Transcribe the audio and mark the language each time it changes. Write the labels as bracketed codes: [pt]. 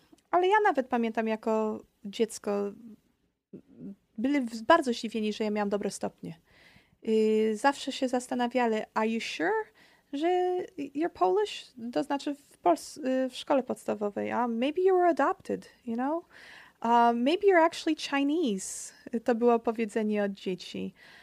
[pl] Ale ja nawet pamiętam jako dziecko, byli bardzo zdziwieni, że ja miałam dobre stopnie. Zawsze się zastanawiali, [en] are you sure, [pl] że [en] you're Polish? [pl] To znaczy w szkole podstawowej. [en] Maybe you were adopted, you know? Maybe you're actually Chinese. [pl] To było powiedzenie od dzieci.